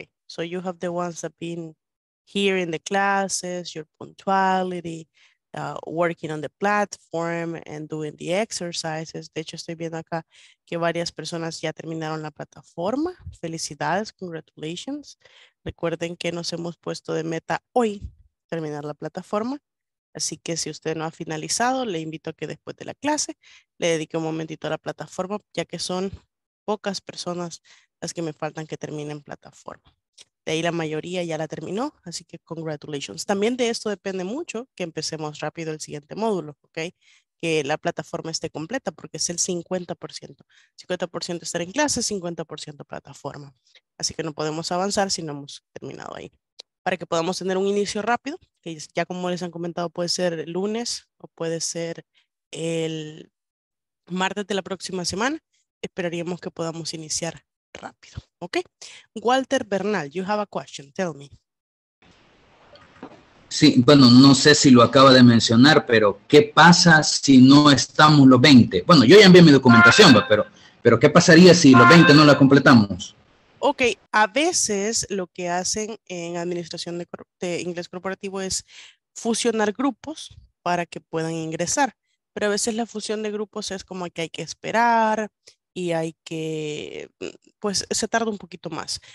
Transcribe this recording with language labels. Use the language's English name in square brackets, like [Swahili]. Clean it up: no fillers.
[English] So you have the ones that been here in the classes, your punctuality, working on the platform and doing the exercises. [Spanish] De hecho, estoy viendo acá que varias personas ya terminaron la plataforma. Felicidades, congratulations. Recuerden que nos hemos puesto de meta hoy terminar la plataforma. Así que si usted no ha finalizado, le invito a que después de la clase le dedique un momentito a la plataforma, ya que son pocas personas las que me faltan que terminen plataforma. De ahí la mayoría ya la terminó, así que congratulations. También de esto depende mucho que empecemos rápido el siguiente módulo, ¿ok? Que la plataforma esté completa porque es el 50%. 50% estar en clase, 50% plataforma. Así que no podemos avanzar si no hemos terminado ahí. Para que podamos tener un inicio rápido, que ya como les han comentado puede ser el lunes o puede ser el martes de la próxima semana, esperaríamos que podamos iniciar rápido, ¿ok? [English] Walter Bernal, you have a question, tell me. [Spanish] Sí, bueno, no sé si lo acaba de mencionar, pero ¿qué pasa si no estamos los 20? Bueno, yo ya envié mi documentación, pero ¿qué pasaría si los 20 no la completamos? Ok, a veces lo que hacen en administración de inglés corporativo es fusionar grupos para que puedan ingresar, pero a veces la fusión de grupos es como que hay que esperar, y hay que, pues se tarda un poquito más.